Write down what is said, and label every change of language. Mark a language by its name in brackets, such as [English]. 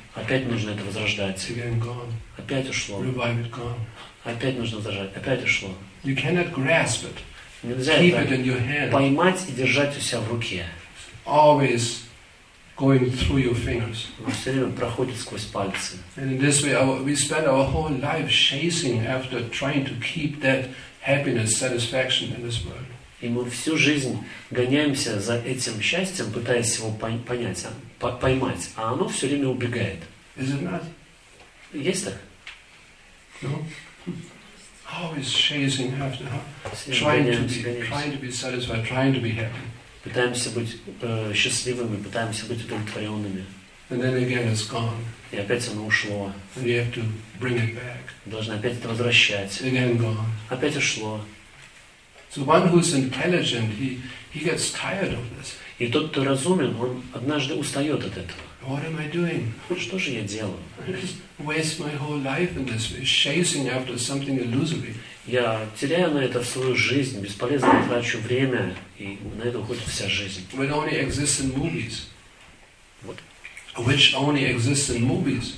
[Russian] Опять нужно это возрождать. [English] Again, gone. [Russian] Опять ушло. [English] Revive it, gone. [Russian] Опять нужно возрождать. Опять ушло. [English] You cannot grasp it. [Russian] Нельзя [English] keep [Russian] это [English] it in your hand. [Russian] Поймать и держать у себя в руке. [English] Always going through your fingers. [Russian] Все время проходит сквозь пальцы. [English] And in this way, we spend our whole life chasing after trying to keep that happiness, satisfaction in this world. [Russian] И мы всю жизнь гоняемся за этим счастьем, пытаясь его понять, поймать, а оно все время убегает. [English] Is it not? [Russian] Есть так? [English] No. Always chasing after, trying to be satisfied, trying to be happy. [Russian] Пытаемся быть счастливыми, пытаемся быть удовлетворенными. [English] And then again, it's gone. [Russian] И опять оно ушло. [English] And we have to bring it back. [Russian] Должны опять это возвращать. [English] Again gone. [Russian] Опять ушло. [English] So one who's intelligent, he gets tired of this. [Russian] И тот, кто разумен, он однажды устает от этого. [English] What am I doing? [Russian] Что же я делаю? [English] Waste my whole life in this way, chasing after something illusory. [Russian] Я теряю на это свою жизнь, бесполезно трачу время, и на это уходит вся жизнь. [English] Which only exists in movies. Which only exists in movies.